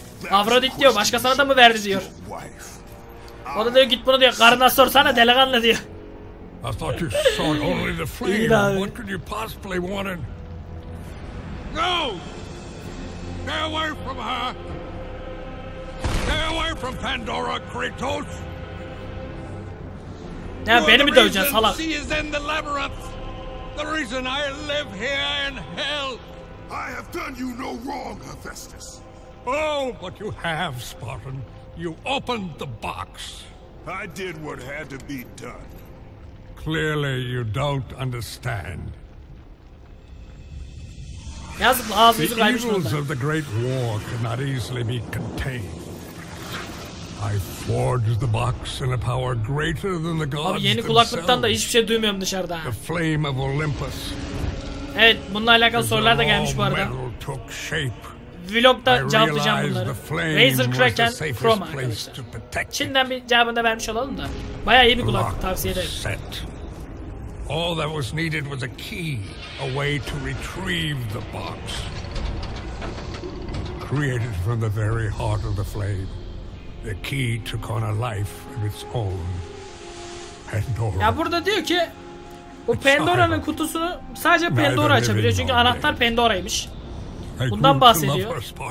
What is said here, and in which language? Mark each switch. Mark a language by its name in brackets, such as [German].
[Turkish] Aphrodite diyor, başkasına da mı verdi diyor. O da diyor, git bunu diyor, karına sorsana delikanlı diyor. [English] I thought you saw only the flame. What could you possibly want in? No! Stay away from her! Stay away from Pandora, Kratos! [Turkish] Ya beni mi döveceksin salak? [English] She is in the labyrinth. The reason I live here in hell. I have done you no wrong, Hephaestus. Oh, but you have, Spartan. You opened the box. I did what had to be done. Clearly you don't understand. The evils of the Great War cannot easily be contained. I forged the box in a power greater than the gods. [Turkish] Abi yeni kulaklıktan da hiçbir şey duymuyorum dışarıda. [English] The flame of Olympus. [Turkish] Evet, bununla alakalı sorular da gelmiş bu arada. [English] Metal took shape. [Turkish] Vlog'da cevaplayacağım bunları. Razer Kraken Chrome arkadaşlar. Çin'den bir cevabını da vermiş olalım da. Bayağı iyi bir kulak tavsiye ederim. [English] All that was needed was a key, a way to retrieve the box. Created from the very heart of the flame. The key took on a life of its own. Pandora. [Turkish] Ya burada diyor ki bu Pandora'nın kutusunu sadece Pandora açabiliyor. Çünkü anahtar Pandora'ymış. Bundan bahsediyor.